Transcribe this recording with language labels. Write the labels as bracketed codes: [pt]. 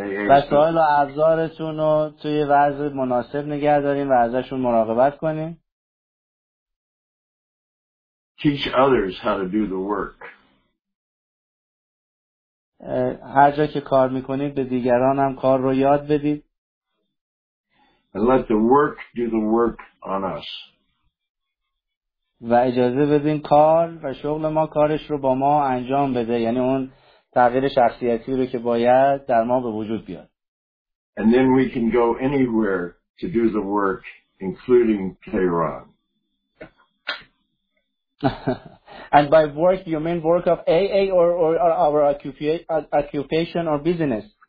[fa] و سوال و ابزارتون رو توی وضع مناسب نگه داریم و ازشون مراقبت کنیم. [en] Teach others how to do the work. [fa] هر جا که کار میکنید به دیگران هم کار رو یاد بدید. [en] And let the work do the work on us. [fa] و اجازه بدین کار و شغل ما کارش رو با ما انجام بده، یعنی اون تغییر شخصیتی رو که باید در ما به وجود بیاد. [en] And then we can go anywhere to do the work, including Tehran. And by work, you mean work of AA or our occupation or business?